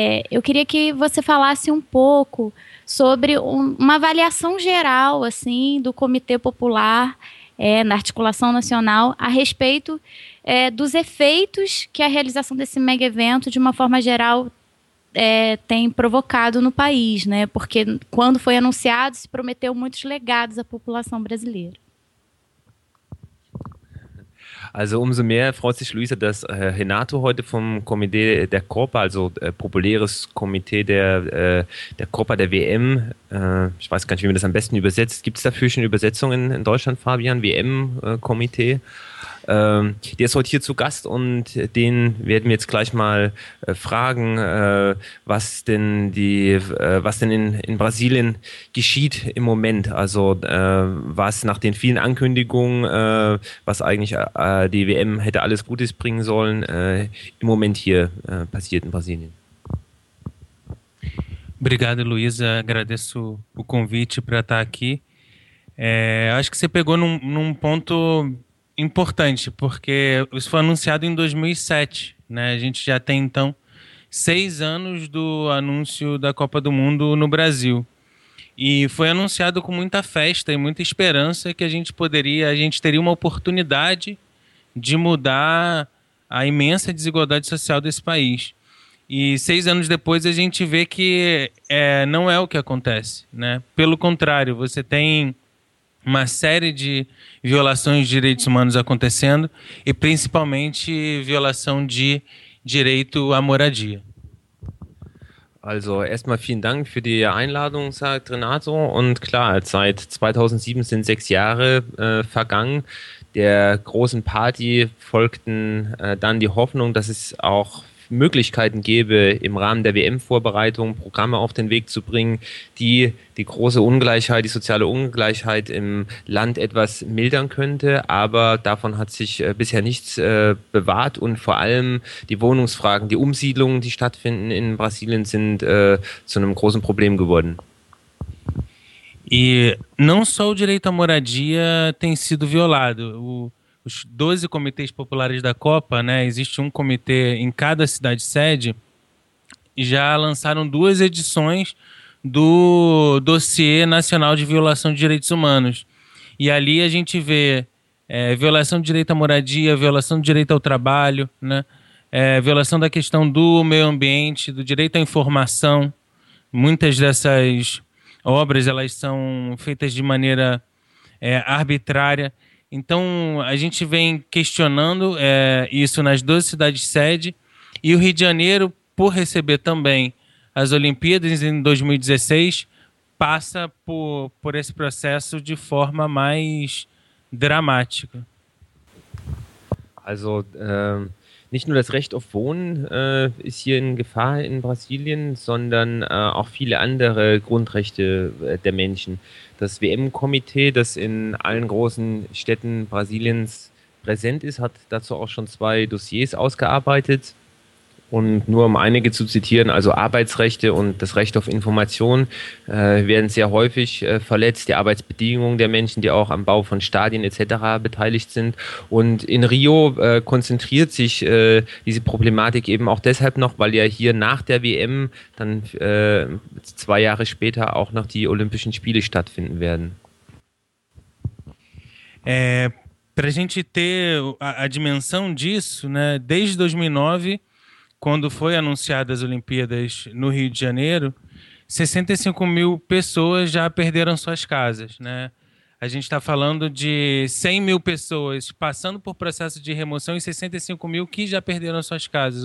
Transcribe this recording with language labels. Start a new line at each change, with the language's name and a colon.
Portuguese: Eu queria que você falasse um pouco sobre uma avaliação geral assim, do Comitê Popular na Articulação Nacional a respeito dos efeitos que a realização desse mega evento, de uma forma geral, tem provocado no país, né? Porque quando foi anunciado, se prometeu muitos legados à população brasileira.
German: Also umso mehr freut sich Luisa, dass Renato heute vom Komitee der Copa, also populäres Komitee der Copa der WM, ich weiß gar nicht, wie man das am besten übersetzt. Gibt es dafür schon Übersetzungen in Deutschland, Fabian? WM-Komitee? Der ist heute hier zu Gast und den werden wir jetzt gleich mal fragen, was denn in Brasilien geschieht im Moment. Also was nach den vielen Ankündigungen, was eigentlich die WM hätte alles Gutes bringen sollen, im Moment hier passiert in Brasilien.
Portuguese: Obrigado, Luisa. Agradeço o convite para estar aqui. Acho que você pegou num ponto importante, porque isso foi anunciado em 2007, né? A gente já tem, então, 6 anos do anúncio da Copa do Mundo no Brasil. E foi anunciado com muita festa e muita esperança que a gente teria uma oportunidade de mudar a imensa desigualdade social desse país. E 6 anos depois a gente vê que não é o que acontece, né? Pelo contrário, você tem uma série de violações de direitos humanos acontecendo e principalmente violação de direito à moradia.
German: Also, erstmal vielen Dank für die Einladung, sagt Renato. Und klar, seit 2007 sind 6 Jahre vergangen. Der großen Party folgten dann die Hoffnung, dass es auch Möglichkeiten gäbe, im Rahmen der WM-Vorbereitung Programme auf den Weg zu bringen, die die große Ungleichheit, die soziale Ungleichheit im Land etwas mildern könnte. Aber davon hat sich bisher nichts bewahrt und vor allem die Wohnungsfragen, die Umsiedlungen, die stattfinden in Brasilien, sind zu einem großen Problem geworden.
Portuguese: E não só o direito à moradia tem sido violado. Os 12 comitês populares da Copa, né, existe um comitê em cada cidade-sede, já lançaram 2 edições do dossiê nacional de violação de direitos humanos. E ali a gente vê violação de direito à moradia, violação de direito ao trabalho, né, violação da questão do meio ambiente, do direito à informação. Muitas dessas obras elas são feitas de maneira arbitrária. Então, a gente vem questionando isso nas 12 cidades-sede e o Rio de Janeiro, por receber também as Olimpíadas em 2016, passa por esse processo de forma mais dramática.
German: Also, nicht nur das Recht auf Wohnen ist hier in Gefahr in Brasilien, sondern auch viele andere Grundrechte der Menschen. Das WM-Komitee, das in allen großen Städten Brasiliens präsent ist, hat dazu auch schon 2 Dossiers ausgearbeitet. Und nur um einige zu zitieren, also Arbeitsrechte und das Recht auf Information werden sehr häufig verletzt. Die Arbeitsbedingungen der Menschen, die auch am Bau von Stadien etc. beteiligt sind. Und in Rio konzentriert sich diese Problematik eben auch deshalb noch, weil ja hier nach der WM dann 2 Jahre später auch noch die Olympischen Spiele stattfinden werden.
Portuguese: Pra gente ter a dimensão disso, né, desde 2009 quando foi anunciadas as Olimpíadas no Rio de Janeiro, 65 mil pessoas já perderam suas casas, né? A gente está falando de 100 mil pessoas passando por processo de remoção e 65 mil que já perderam suas casas.